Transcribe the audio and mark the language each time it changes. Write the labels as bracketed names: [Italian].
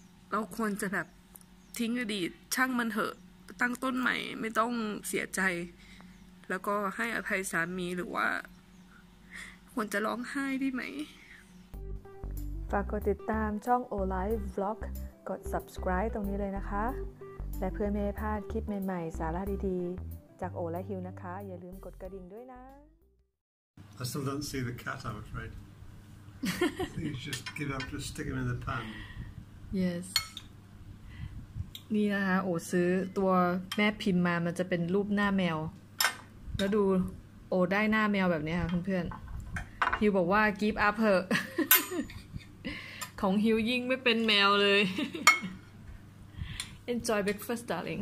[Thai] เราควรจะแบบทิ้งอดีตช่างมันเถอะตั้งต้นใหม่ไม่ต้องเสียใจแล้วก็ให้อภัยสามีหรือว่าควรจะร้องไห้ได้ไหม ฝากกดติดตามช่อง O-Life Vlog กด Subscribe ตรงนี้เลยนะคะและเพื่อไม่ให้พลาดคลิปใหม่ๆสาระดีๆจากโอและฮิวนะคะอย่าลืมกดกระดิ่งด้วยนะ [English] I still don't see the cat I'm afraid You just give up just stick him in the pan [Thai] Yesนี่นะคะโอซื้อตัวแม่พิมพ์มามันจะเป็นรูปหน้าแมวแล้วดูโอได้หน้าแมวแบบนี้ค่ะเพื่อนๆฮิวบอกว่า give up เถอะของฮิวยิ่งไม่เป็นแมวเลย [English] Enjoy breakfast darling